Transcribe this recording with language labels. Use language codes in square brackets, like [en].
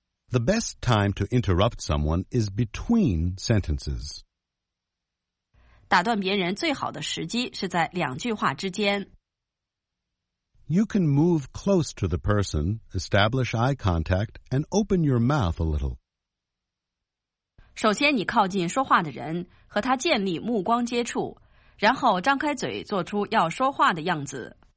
[en] The best time to interrupt someone is between sentences. [zh] 打断别人最好的时机是在两句话之间。 [en] You can move close to the person, establish eye contact, and open your mouth a little. [zh] 首先你靠近说话的人，和他建立目光接触，然后张开嘴做出要说话的样子。